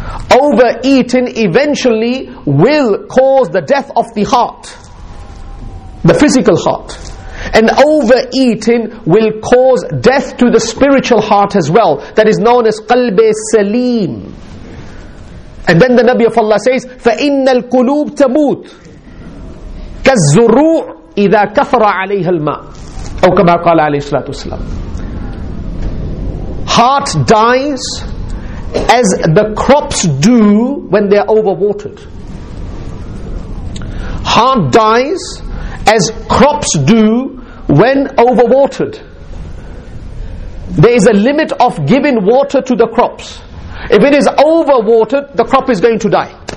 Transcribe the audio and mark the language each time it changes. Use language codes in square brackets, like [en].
[en] Overeating eventually will cause the death of the heart, the physical heart. And overeating will cause death to the spiritual heart as well. That is known as قلب سليم. [ar] And then the Nabi of Allah says, فَإِنَّ الْقُلُوبُ تَمُوتُ كَالزُّرُوعُ إِذَا كَفَرَ عَلَيْهَا الْمَاءُ أَوْ كَمَا قَالَ عَلَيْهِ السَّلَاةُ وَالسَّلَامُ. [en] Heart dies as the crops do when they are overwatered. Heart dies as crops do when overwatered. There is a limit of giving water to the crops. If it is overwatered, the crop is going to die.